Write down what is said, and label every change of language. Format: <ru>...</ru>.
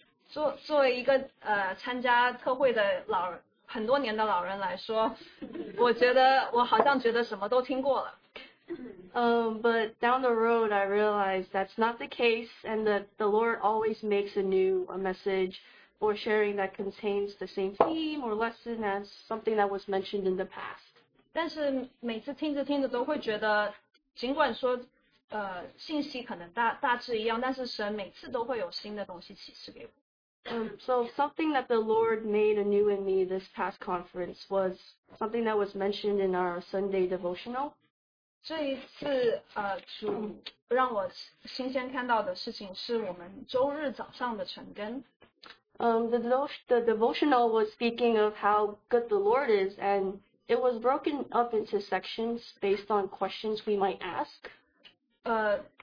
<zh>作为一个参加特会的老人，很多年的老人来说，我觉得我好像觉得什么都听过了。</zh> <en>But down the road, I realized that's not the case, and that the Lord always makes a message or sharing that contains the same theme or lesson as something that was mentioned in the past.</en> <zh>但是每次听着听着都会觉得，尽管说，信息可能大致一样，但是神每次都会有新的东西启示给我。</zh> <en>So something that the Lord made anew in me this past conference was something that was mentioned in our Sunday devotional.</en> <zh>这一次主让我新鲜看到的事情是我们周日早上的晨更。</zh> <en>The devotional was speaking of how good the Lord is, and it was broken up into sections based on questions we might ask.</en>